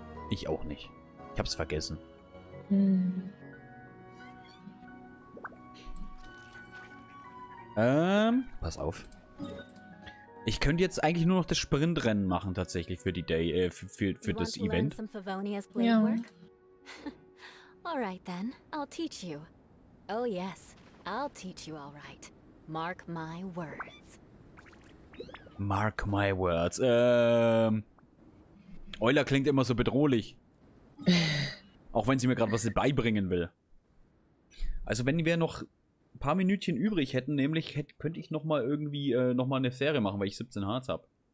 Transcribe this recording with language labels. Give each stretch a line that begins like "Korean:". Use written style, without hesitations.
German: Ich auch nicht. Ich hab's vergessen. Hm. Pass auf. Ich könnte jetzt eigentlich nur noch das Sprintrennen machen, tatsächlich, für die Day, für das Event. Ja.
English: Alright then, I'll teach you. Oh yes, I'll teach you alright. Mark my words. Mark my words.
German: Euler klingt immer so bedrohlich. Auch wenn sie mir gerade was beibringen will. Also wenn wir noch ein paar Minütchen übrig hätten, nämlich könnte ich nochmal irgendwie nochmal eine Serie machen, weil ich 17 Hearts habe.